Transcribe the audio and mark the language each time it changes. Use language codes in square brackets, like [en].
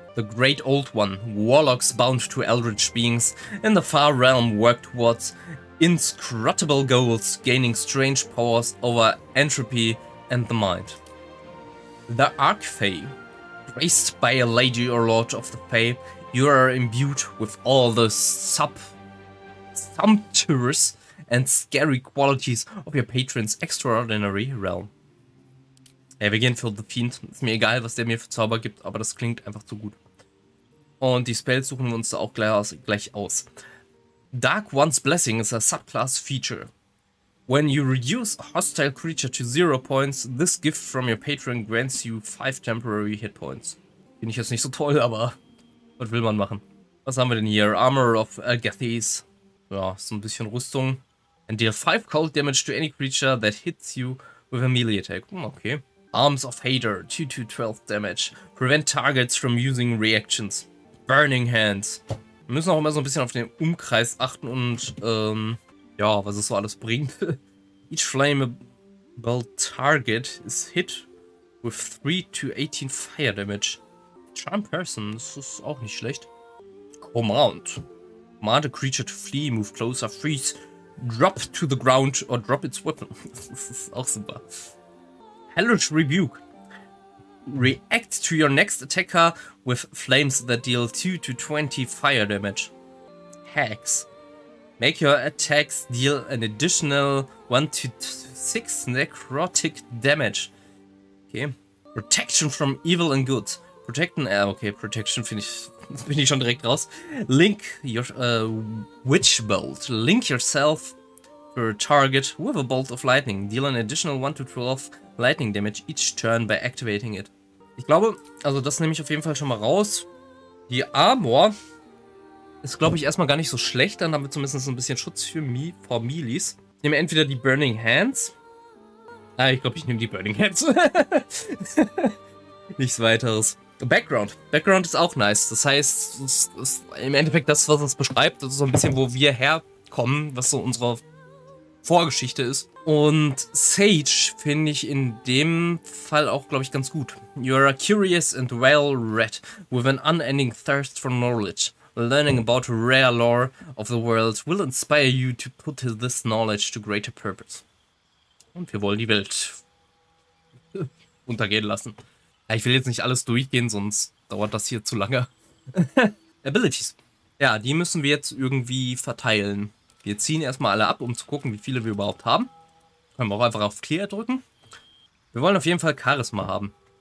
[en] The Great Old One, Warlocks bound to Eldritch beings in the far realm work towards inscrutable goals, gaining strange powers over entropy and the mind. The Arcfae, graced by a lady or lord of the Fae, you are imbued with all the sumptuous and scary qualities of your patron's extraordinary realm. [de] Hey, wir gehen für The Fiend. Ist mir egal, was der mir für Zauber gibt, aber das klingt einfach zu gut. Und die Spells suchen wir uns da auch gleich aus. [en] Dark One's Blessing is a subclass feature. When you reduce a hostile creature to 0 points, this gift from your patron grants you 5 temporary hit points. [de] Finde ich jetzt nicht so toll, aber was will man machen? Was haben wir denn hier? Armor of Agathys. Ja, so ein bisschen Rüstung. [en] And deal 5 cold damage to any creature that hits you with a melee attack. Okay. Arms of Hader, 2 to 12 damage. Prevent targets from using reactions. Burning Hands. [de] Wir müssen auch immer so ein bisschen auf den Umkreis achten und, ja, was es so alles bringt. [en] Each flammable target is hit with 3 to 18 fire damage. [de] Charm person, das ist auch nicht schlecht. Command. [en] Command a creature to flee, move closer, freeze, drop to the ground or drop its weapon. [de] Das ist auch super. Hellish Rebuke. [en] React to your next attacker with flames that deal 2 to 20 fire damage. Hex. Make your attacks deal an additional 1 to 6 necrotic damage. Okay. Protection from evil and good. [de] Protection finde ich, bin ich schon direkt raus. [en] Link your witch bolt. Link yourself to a target with a bolt of lightning. Deal an additional 1 to 12 lightning damage each turn by activating it. [de] Ich glaube, also das nehme ich auf jeden Fall schon mal raus. Die Armor ist, glaube ich, erstmal gar nicht so schlecht. Dann haben wir zumindest ein bisschen Schutz für vor Melees. Ich nehme entweder die Burning Hands. Ah, ich glaube, ich nehme die Burning Hands. Nichts weiteres. Background. Background ist auch nice. Das heißt, es ist im Endeffekt das, was uns beschreibt. Das ist so ein bisschen, wo wir herkommen, was so unsere Vorgeschichte ist. Und Sage finde ich in dem Fall auch, glaube ich, ganz gut. [en] You are a curious and well-read with an unending thirst for knowledge. Learning about rare lore of the world will inspire you to put this knowledge to greater purpose. [de] Und wir wollen die Welt untergehen lassen. Ja, ich will jetzt nicht alles durchgehen, sonst dauert das hier zu lange. Abilities. Ja, die müssen wir jetzt irgendwie verteilen. Wir ziehen erstmal alle ab, um zu gucken, wie viele wir überhaupt haben. Können wir auch einfach auf Clear drücken. Wir wollen auf jeden Fall Charisma haben.